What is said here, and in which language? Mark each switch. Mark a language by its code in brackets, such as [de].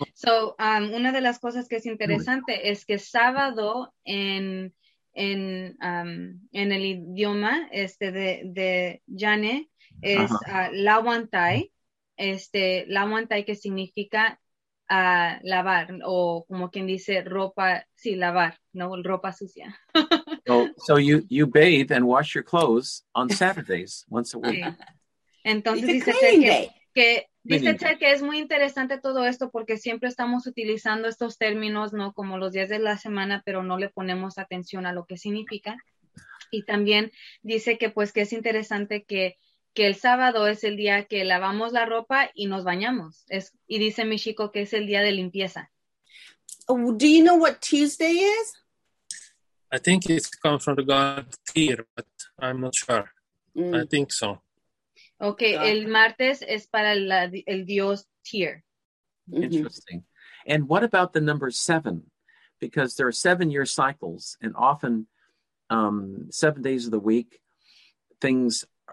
[es] So, una de las cosas que es interesante es que sábado en el idioma de Janne es lauantai. Lauantai que significa lavar, o como quien dice ropa, sí, lavar, no, ropa sucia. [en] So you bathe and wash your clothes on Saturdays once a week. [es] Entonces dice Ted que es muy interesante todo esto, porque siempre estamos utilizando estos términos, ¿no? Como los días de la semana, pero no le ponemos atención a lo que significa. Y también dice que pues que es interesante que el sábado es el día que lavamos la ropa y nos bañamos. Y dice Michiko que es el día de limpieza. [en] Do you know what Tuesday is? I think it comes from the god Tyr, but I'm not sure. Mm. I think so. Okay, God. [es] El martes es para el dios Tyr. [en] Interesting. Mm-hmm. And what about the number 7? Because there are 7-year cycles, and often 7 days of the week, things